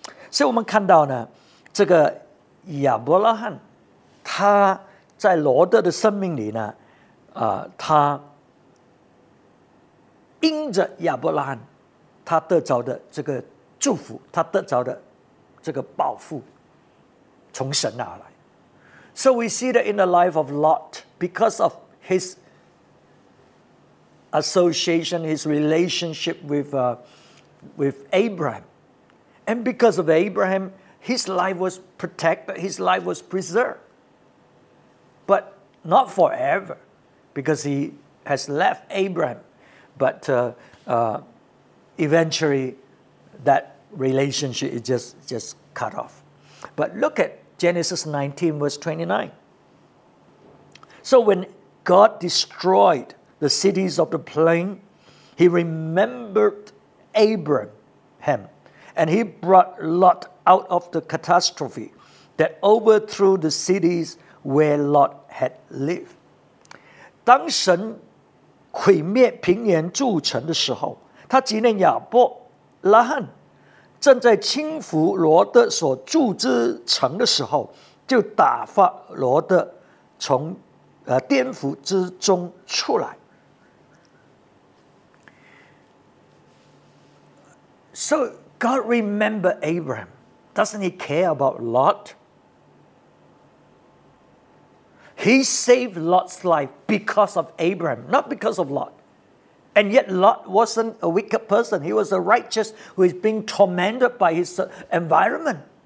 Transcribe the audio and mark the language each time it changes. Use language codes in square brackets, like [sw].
[zh] 所以我们看到呢，这个亚伯拉罕他在罗德的生命里呢，他因着亚伯拉罕他得着的这个祝福，他得着的这个保护从神而来。 [en] So we see that in the life of Lot, because of his association, his relationship with Abraham, and because of Abraham, his life was protected, his life was preserved, but not forever, because he has left Abraham, but eventually that relationship is just cut off. But look at Genesis 19, verse 29. So when God destroyed the cities of the plain, he remembered Abraham, and he brought Lot out of the catastrophe that overthrew the cities where Lot had lived. [zh] 当神毁灭平原筑城的时候，他纪念亚伯拉罕正在轻浮罗德所筑之城的时候，就打发罗德从颠覆之中出来。 [en] So God remember Abraham, doesn't he care about Lot? He saved Lot's life because of Abraham, not because of Lot. And yet Lot wasn't a wicked person. He was a righteous who is being tormented by his environment.